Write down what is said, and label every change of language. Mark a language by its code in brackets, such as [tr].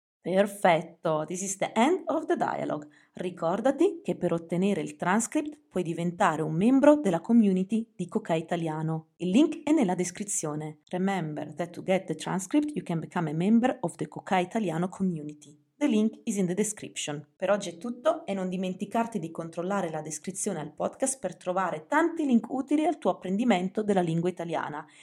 [en] Perfetto, this is the end of the dialogue. [it] Ricordati che per ottenere il transcript puoi diventare un membro della community di Cocai Italiano. Il link è nella descrizione. [en] Remember that to get the transcript you can become a member of the Cocai Italiano community. The link is in the description. [it] Per oggi è tutto e non dimenticarti di controllare la descrizione al podcast per trovare tanti link utili al tuo apprendimento della lingua italiana.